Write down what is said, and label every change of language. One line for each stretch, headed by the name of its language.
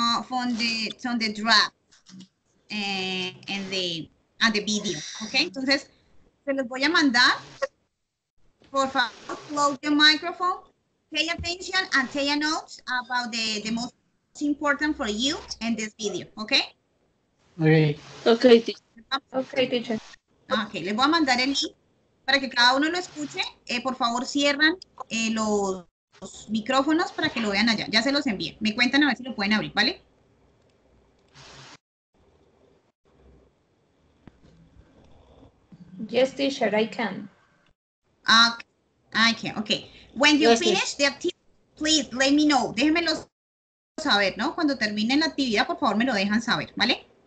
English: From the draft and the video, okay?
Spanish: Entonces, se los voy a mandar. Por favor,
English: close the microphone, pay attention and take a note about the most important for you in this video, okay? Okay, teacher.
Spanish: Okay, les voy a mandar el link para que cada uno lo escuche. Por favor, cierran los micrófonos para que lo vean allá. Ya se los envié. Me cuentan a ver si lo pueden abrir, ¿vale?
English: Yes, teacher, I can. Okay, I can, okay. When you finish the activity, please let me know.
Spanish: Déjenmelo saber, ¿no? Cuando termine la actividad, por favor, me lo dejan saber, ¿vale?